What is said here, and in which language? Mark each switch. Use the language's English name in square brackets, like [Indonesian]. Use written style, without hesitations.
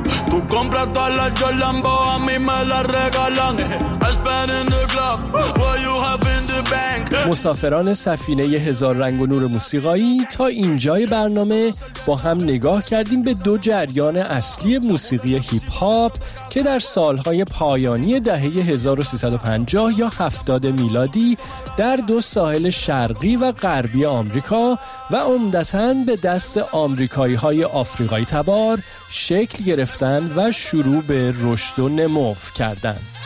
[Spanish] Tú compras todas las Jolambo, a mí me las regalan. [English] I spend in the club, what you have in the bank. [Persian] مسافران سفینه هزار رنگ و نور موسیقایی، تا اینجای برنامه با هم نگاه کردیم به دو جریان اصلی موسیقی هیپ هاپ که در سالهای پایانی دهه 1350 یا 70 میلادی در دو ساحل شرقی و غربی آمریکا و عمدتاً به دست آمریکایی‌های آفریقایی تبار شکل گرفتند و شروع به رشد و نمو کردند.